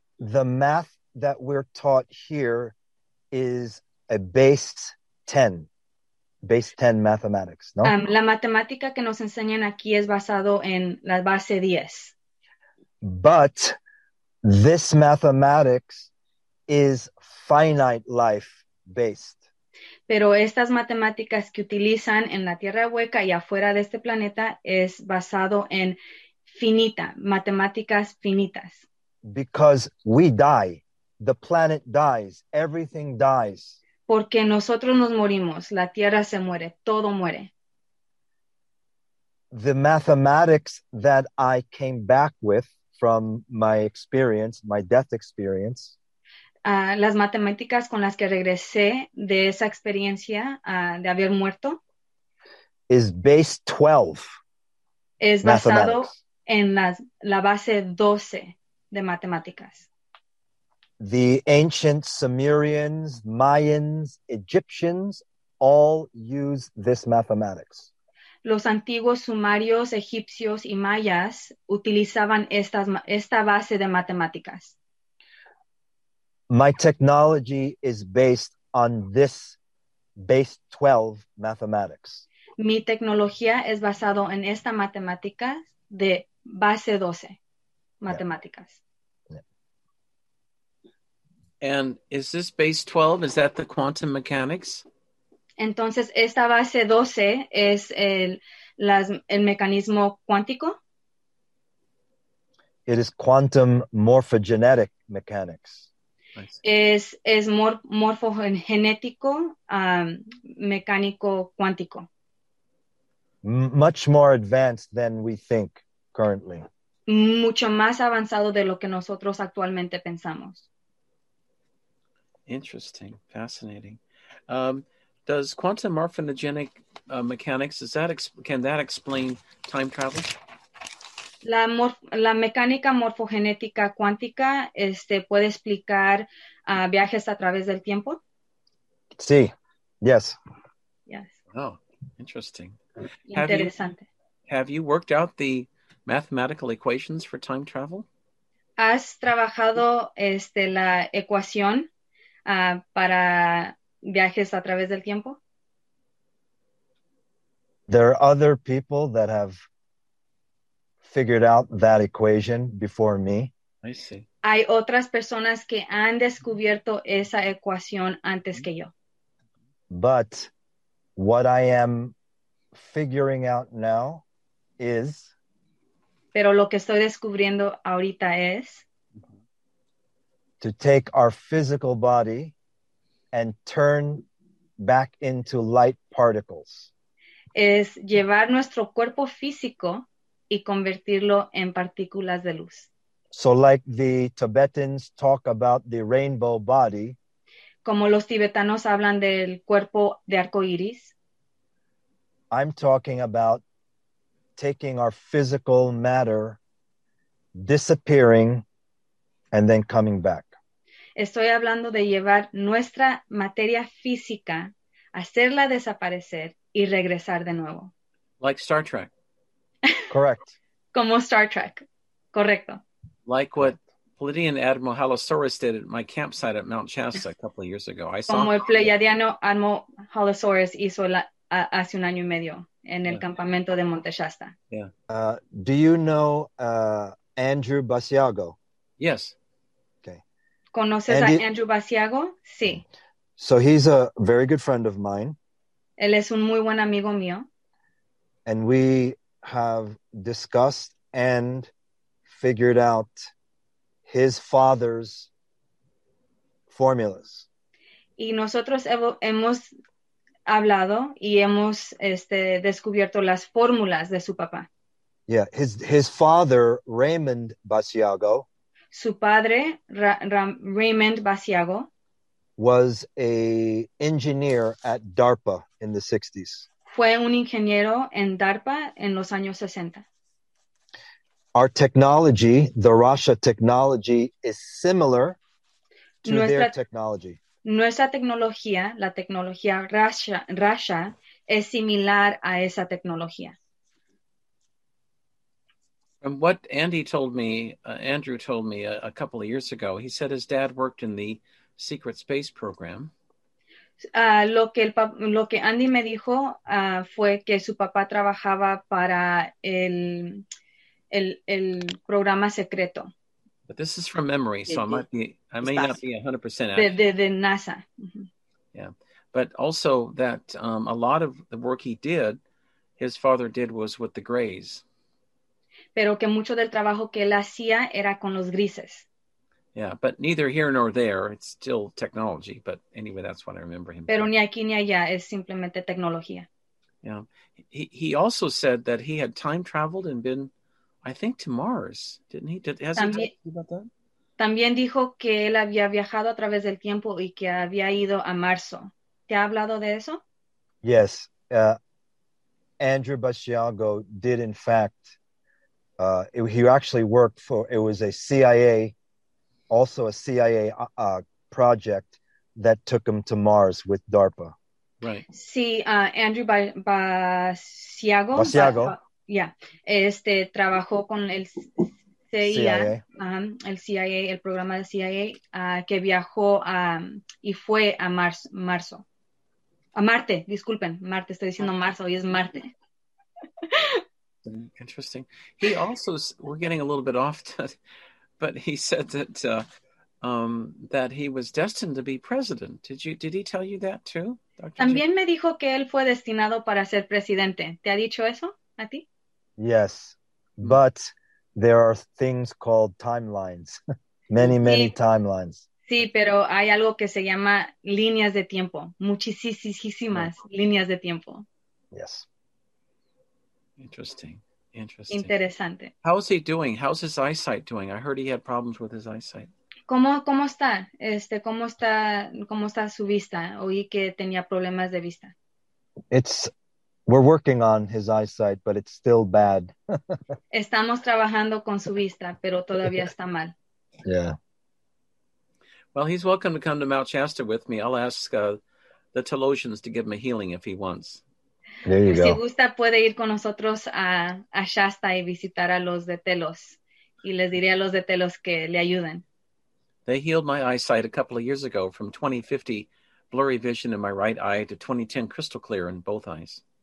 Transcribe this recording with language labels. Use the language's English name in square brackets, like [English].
[English] The math that we're taught here is a base 10 mathematics, no? [Spanish] La matemática que nos enseñan aquí es basado en la base 10. [English] But this mathematics is finite life based. [Spanish] Pero estas matemáticas que utilizan en la Tierra hueca y afuera de este planeta es basado en matemáticas finitas. [English] Because we die. The planet dies. Everything dies. [Spanish] Porque nosotros nos morimos. La Tierra se muere. Todo muere. [English] The mathematics that I came back with from my experience, my death experience. [Spanish] Las matemáticas con las que regresé de esa experiencia de haber muerto. [English] Is base 12. [Spanish] Es basado en la base 12 de matemáticas. [English] The ancient Sumerians, Mayans, Egyptians all use this mathematics. [Spanish] Los antiguos sumerios, egipcios y mayas utilizaban esta base de matemáticas. [English] My technology is based on this base 12 mathematics. [Spanish] Mi tecnología es basado en esta matemática de base 12 matemáticas. [English] Yeah. And is this base 12, is that the quantum mechanics? [Spanish] Entonces, esta base 12 es el mecanismo cuántico? [English] It is quantum morphogenetic mechanics. [Spanish] Es morfogenético mecánico cuántico. [English] Much more advanced than we think currently. [Spanish] Mucho más avanzado de lo que nosotros actualmente pensamos. [English] Interesting, fascinating. Does quantum morphogenic mechanics, can that explain time travel? [Spanish] La mecánica morfogenética cuántica puede explicar viajes a través del tiempo? Sí, [English] yes. Yes. Oh, interesting. [Spanish] Interesante. [English] Have you worked out the mathematical equations for time travel? [Spanish] ¿Has trabajado la ecuación para viajes a través del tiempo? [English] There are other people that have figured out that equation before me. I see. [Spanish] Hay otras personas que han descubierto esa ecuación antes que yo. [English] But what I am figuring out now is... [Spanish] Pero lo que estoy descubriendo ahorita es... [English] To take our physical body and turn back into light particles. [Spanish] Es llevar nuestro cuerpo físico y convertirlo en partículas de luz. [English] So like the Tibetans talk about the rainbow body. [Spanish] Como los tibetanos hablan del cuerpo de arco iris. [English] I'm talking about taking our physical matter, disappearing, and then coming back. [Spanish] Estoy hablando de llevar nuestra materia física, hacerla desaparecer y regresar de nuevo. [English] Like Star Trek. Correct. [Spanish] Como Star Trek. Correcto. [English] Like what Pleiadian Admiral Halosaurus did at my campsite at Mount Shasta a couple of years ago. I saw [Spanish] como el Pleiadiano Admiral Halosaurus hizo hace un año y medio en el campamento de Monte Shasta. [English] Yeah. Do you know Andrew Basiago? Yes. Okay. [Spanish] ¿Conoces a Andrew Basiago? Sí. [English] So he's a very good friend of mine. [Spanish] Él es un muy buen amigo mío. [English] And we have discussed and figured out his father's formulas. [Spanish] Y nosotros hemos hablado y hemos descubierto las fórmulas de su papá. [English] Yeah, his father, Raymond Basiago. [Spanish] Su padre, Raymond Basiago. [English] Was a engineer at DARPA in the 60s. [Spanish] Fue un ingeniero en DARPA en los años 60. [English] Our technology, the Rasha technology, is similar to their technology. [Spanish] Nuestra tecnología, la tecnología Rasha, es similar a esa tecnología. [English] And what Andrew told me a couple of years ago, he said his dad worked in the secret space program. [Spanish] Lo que Andy me dijo fue que su papá trabajaba para el programa secreto. [English] But this is from memory, so I may not be 100% accurate. [Spanish] De NASA. [English] Mm-hmm. Yeah, but also that a lot of the work he did, his father did, was with the grays. [Spanish] Pero que mucho del trabajo que él hacía era con los grises. [English] Yeah, but neither here nor there. It's still technology, but anyway, that's what I remember him. [Spanish] Pero ni aquí ni allá, es simplemente tecnología. [English] Yeah, he also said that he had time traveled and been, I think, to Mars, didn't he? Hasn't he talked to you about that? [Spanish] También dijo que él había viajado a través del tiempo y que había ido a Marzo. ¿Te ha hablado de eso? [English] Yes, Andrew Basiago did, in fact. He actually worked for, it was a CIA, also a CIA project that took him to Mars with DARPA. Right. [Spanish] Sí, Andrew Basiago. Basiago. Trabajó con el CIA, el CIA, el programa de CIA, que viajó y fue a marzo. A Marte, disculpen, Marte, estoy diciendo marzo, hoy es Marte. [English] Interesting. He also, we're getting a little bit off, but he said that that he was destined to be president. Did he tell you that too, Dr. [Spanish] También me dijo que él fue destinado para ser presidente. ¿Te ha dicho eso a ti? [English] Yes, but there are things called timelines, many timelines. [Spanish] Sí, pero hay algo que se llama líneas de tiempo, muchísimas líneas de tiempo. [English] Yes. Interesting. [Spanish] Interesante. [English] How's he doing? How's his eyesight doing? I heard he had problems with his eyesight. [Spanish] ¿Cómo está? ¿Cómo está su vista? Oí que tenía problemas de vista. [English] We're working on his eyesight, but it's still bad. [Spanish] Estamos trabajando con su vista, pero todavía está mal. [English] Yeah. Well, he's welcome to come to Mount Shasta with me. I'll ask the Talosians to give him a healing if he wants. There you go. [Spanish] Si gusta, puede ir con nosotros a Shasta y visitar a los de Telos. Y les diré a los de Telos que le ayuden. [English] They healed my eyesight a couple of years ago from 20/50 blurry vision in my right eye to 20/10 crystal clear in both eyes.